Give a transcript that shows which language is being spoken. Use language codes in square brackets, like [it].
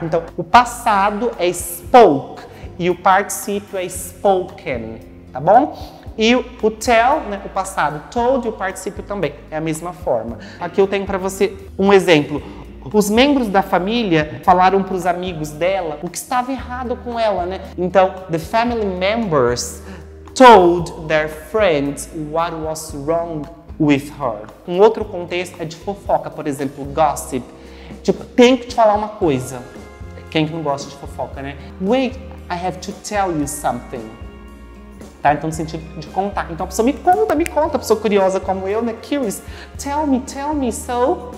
[pt] Então, o passado é spoke e o particípio é spoken, tá bom? E o tell, né, o passado, told, e o particípio também, é a mesma forma. Aqui eu tenho pra você um exemplo. Os membros da família falaram pros amigos dela o que estava errado com ela, né? [en] Então, the family members told their friends what was wrong with her. [pt] Um outro contexto é de fofoca, por exemplo, gossip. Tipo, tenho que te falar uma coisa. Quem que não gosta de fofoca, né? [en] Wait, I have to tell you something. Tá? [pt] Então, no sentido de contar. Então, a pessoa me conta, a pessoa curiosa como eu, né? Curious. [en] Tell me, so.